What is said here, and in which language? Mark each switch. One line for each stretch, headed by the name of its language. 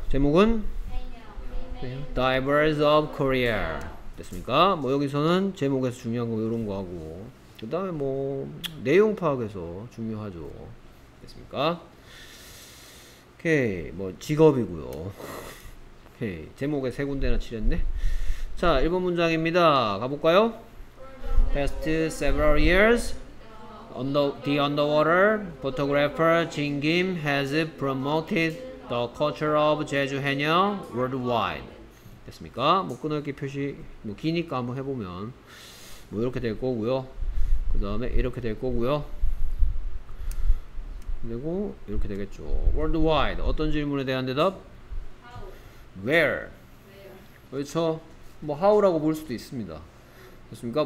Korean: 제목은 Divers of Korea 됐습니까? 뭐 여기서는 제목에서 중요한 거 이런 거 하고 그 다음에 뭐 내용 파악에서 중요하죠. 됐습니까? 오케이. 뭐 직업이고요. 오케이. 제목에 세 군데나 칠했네. 자, 1번 문장입니다. 가볼까요?
English: Past several years, the underwater photographer Jin Kim has promoted the culture of Jeju Haenyeo worldwide.
Korean: 됐습니까? 뭐 끊어있게 표시, 뭐 기니까 한번 해보면 뭐 이렇게 될 거고요. 그 다음에 이렇게 될 거고요. 그리고 이렇게 되겠죠. Worldwide. 어떤 질문에 대한 대답?
English: How. Where. Where.
Korean: 그렇죠. 뭐 how라고 볼 수도 있습니다. 됐습니까?